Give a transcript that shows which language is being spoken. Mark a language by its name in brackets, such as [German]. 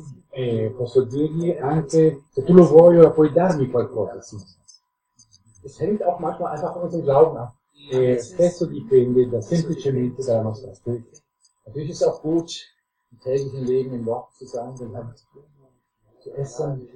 [Italian] E posso dirgli anche, se tu lo vuoi, ora puoi darmi qualcosa. [German] Es hängt auch manchmal einfach von unserem Glauben ab. [Italian] E spesso dipende da semplicemente dalla nostra fede. [German] Natürlich ist es auch gut, im täglichen Leben im Wort zu sein, den Herrn zu essen.